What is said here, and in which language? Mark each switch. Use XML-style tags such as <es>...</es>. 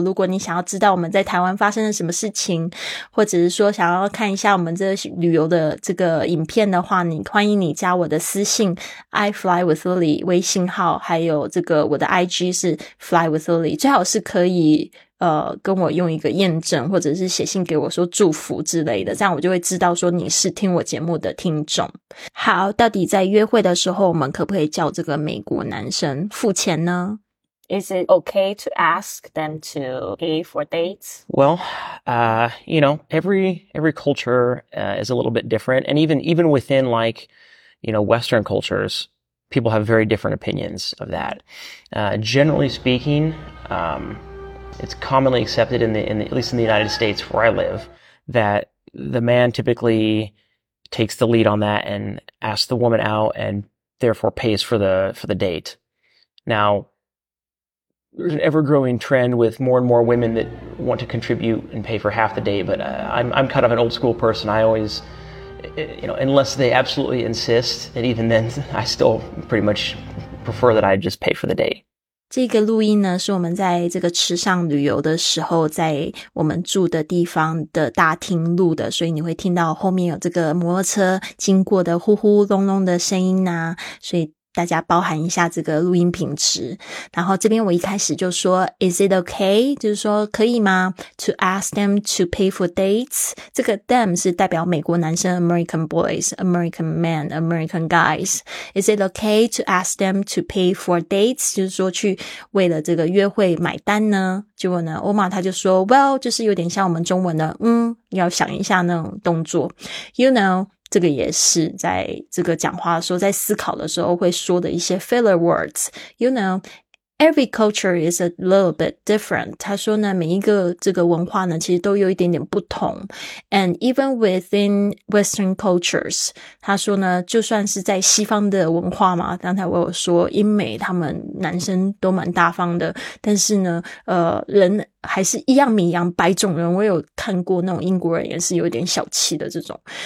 <zh>如果你想要知道我们在台湾发生了什么事情，或者是说想要看一下我们这旅游的这个影片的话，你欢迎你加我的私信 I fly with Lily 微信号，还有这个我的 IG 是 fly with Lily， 最好是可以跟我用一个验证，或者是写信给我说祝福之类的，这样我就会知道说你是听我节目的听众。好，到底在约会的时候我们可不可以叫这个美国男生付钱呢？</zh> <en>Is it okay to ask them to pay for dates? Well, you know, every culture is a little bit different, and even within like, you know, Western cultures, people have very different opinions of that. Generally speaking, it's commonly accepted in the, at least in the United States where I live, that the man typically takes the lead on that and asks the woman out and therefore pays for the date. Now, there's an ever-growing trend with more and more women that want to contribute and pay for half the date, but I'm kind of an old school person. I always, you know, unless they absolutely insist, and even then, I still pretty much prefer that I just pay for the date.</en> <zh>这个录音呢是我们在这个池上旅游的时候在我们住的地方的大厅录的，所以你会听到后面有这个摩托车经过的呼呼隆隆的声音啊，所以大家包含一下这个录音品质。然后这边我一开始就说</zh> <en>Is it okay?</en> <zh>就是说可以吗</zh> <en>To ask them to pay for dates?</en> <zh>这个</zh> <en>them</en> <zh>是代表美国男生</zh> <en>American boys, American men, American guys. Is it okay to ask them to pay for dates?</en> <zh>就是说去为了这个约会买单呢，结果呢 Omar 他就说 Well, 就是有点像我们中文的要想一下那种动作。</zh> <en>You know,</en> <zh>这个也是在这个讲话的时候在思考的时候会说的一些</zh> <en>filler words. You know, every culture is a little bit different.</en> <zh>他说呢每一个这个文化呢其实都有一点点不同。</zh> <en>And even within Western cultures,</en> <zh>他说呢就算是在西方的文化嘛，刚才我有说英美他们男生都蛮大方的，但是呢人还是一样米一样白种人，我有看过那种英国人也是有点小气的这种。</zh>